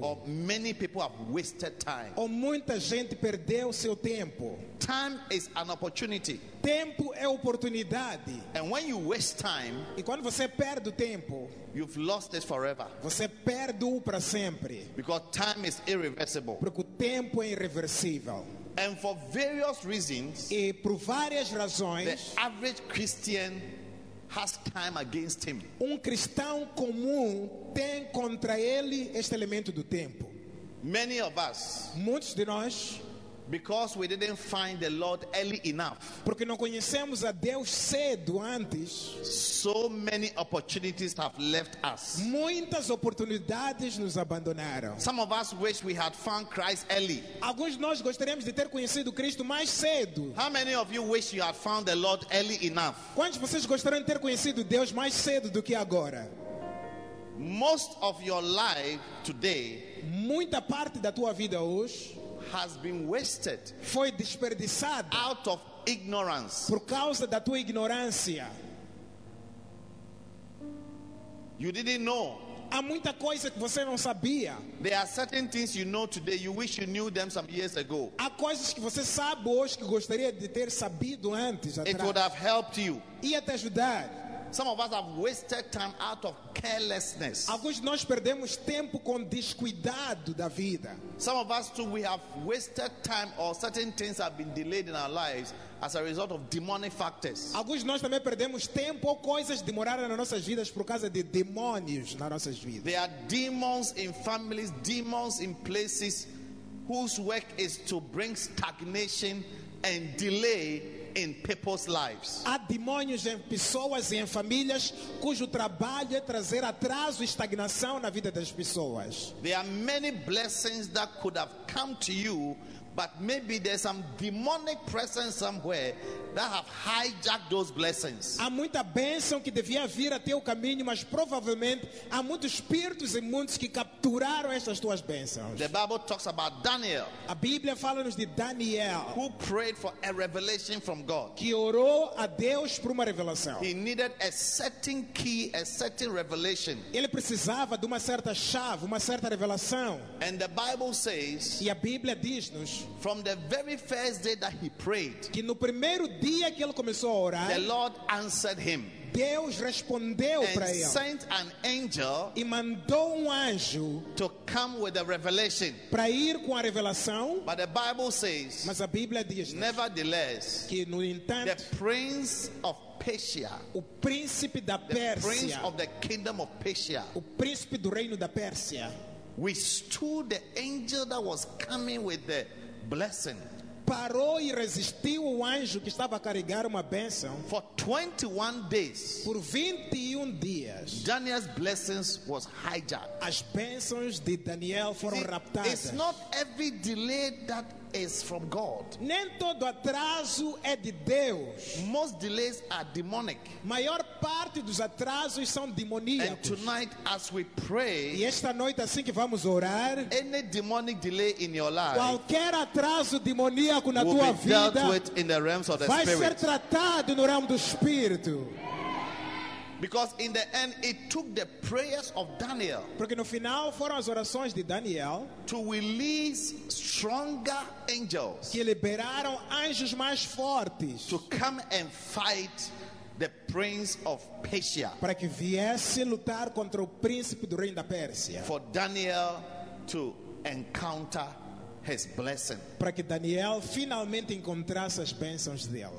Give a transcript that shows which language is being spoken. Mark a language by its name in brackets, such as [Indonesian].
[English] Or many people have wasted time. [Portuguese] Ou muita gente perdeu seu tempo. [English] Time is an opportunity. [Portuguese] Tempo é oportunidade. [English] And when you waste time, [Portuguese] e quando você perde o tempo, [English] you've lost it forever. [Portuguese] Você perde-o para sempre. [English] Because time is irreversible. [Portuguese] Porque o tempo é irreversível. [English] And for various reasons, [Portuguese] e por várias razões, [English] the average Christian has time against him. [Portuguese] Um cristão comum tem contra ele este elemento do tempo. [English] Many of us, [Portuguese] muitos de nós, [English] because we didn't find the Lord early enough, [Portuguese] porque não conhecemos a Deus cedo antes, [English] so many opportunities have left us. [Portuguese] Muitas oportunidades nos abandonaram. [English] Some of us wish we had found Christ early. [Portuguese] Alguns de nós gostaríamos de ter conhecido Cristo mais cedo. [English] How many of you wish you had found the Lord early enough? [Portuguese] Quantos de vocês gostariam de ter conhecido Deus mais cedo do que agora? [English] Most of your life today, [Portuguese] muita parte da tua vida hoje, [English] has been wasted. [Portuguese] Foi desperdiçado. [English] Out of ignorance. [Portuguese] Por causa da tua ignorância. [English] You didn't know. [Portuguese] Há muita coisa que você não sabia. [English] There are certain things you know today you wish you knew them some years ago. [Portuguese] Há coisas que você sabe hoje que gostaria de ter sabido antes, atrás. [English] It would have helped you. [Portuguese] Ia te ajudar. [English] Some of us have wasted time out of carelessness. [Portuguese] Alguns de nós perdemos tempo com descuidado da vida. [English] Some of us too, we have wasted time, or certain things have been delayed in our lives as a result of demonic factors. [Portuguese] Alguns de nós também perdemos tempo ou coisas demoraram nas nossas vidas por causa de demônios nas nossas vidas. [English] There are demons in families, demons in places whose work is to bring stagnation and delay in people's lives. [Portuguese] Há demônios em pessoas e em famílias cujo trabalho é trazer atraso e estagnação na vida das pessoas. [English] There are many blessings that could have come to you, but maybe there's some demonic presence somewhere that have hijacked those blessings. [Portuguese] Há muita bênção que devia vir até o caminho, mas provavelmente há muitos espíritos e muitos que captaram capturaram essas tuas bênçãos. [English] The Bible talks about Daniel. [Portuguese] A Bíblia fala-nos de Daniel, [English] who prayed for a revelation from God. [Portuguese] Que orou a Deus por uma revelação. [English] He needed a certain key, a certain revelation. [Portuguese] Ele precisava de uma certa chave, uma certa revelação. [English] And the Bible says, [Portuguese] e a Bíblia diz-nos, [English] from the very first day that he prayed, [Portuguese] que no primeiro dia que ele começou a orar, [English] the Lord answered him. [Portuguese] Deus respondeu para ele. [English] And sent an angel, [Portuguese] e mandou um anjo, [English] to come with a revelation. [Portuguese] Para ir com a revelação. [English] But the Bible says, [Portuguese] mas a Bíblia diz, [English] nevertheless, [Portuguese] que no entanto, [English] the prince of Persia, [Portuguese] o príncipe da Pérsia, [English] the prince of the kingdom of Persia, [Portuguese] o príncipe do reino da Pérsia, [English] withstood the angel that was coming with the blessing. [Portuguese] Parou e resistiu o anjo que estava a carregar uma bênção. [English] For 21 days, [Portuguese] por 21 dias, [English] Daniel's blessings was hijacked. [Portuguese] As bênçãos de Daniel foram raptadas. [English] It's not every delay that is from God. [Portuguese] Nem todo atraso é de Deus. [English] Most delays are demonic. [Portuguese] Maior parte dos atrasos são demoníacos. [English] And tonight, as we pray, [Portuguese] e esta noite assim que vamos orar, [English] any demonic delay in your life, [Portuguese] qualquer atraso demoníaco na [English] will [Portuguese] tua [English] be [Portuguese] vida, [English] dealt with in the realms of the [Portuguese] vai [English] spirit. [Portuguese] Ser tratado no reino do espírito. [English] Because in the end, it took the prayers of Daniel. [Portuguese] Porque no final foram as orações de Daniel [English] to release stronger angels. [Portuguese] Que liberaram anjos mais fortes [English] to come and fight the prince of Persia. [Portuguese] Para que viesse lutar contra o príncipe do reino da Pérsia. [English] For Daniel to encounter his blessing. [Portuguese] Para que Daniel finalmente encontrasse as bênçãos dele.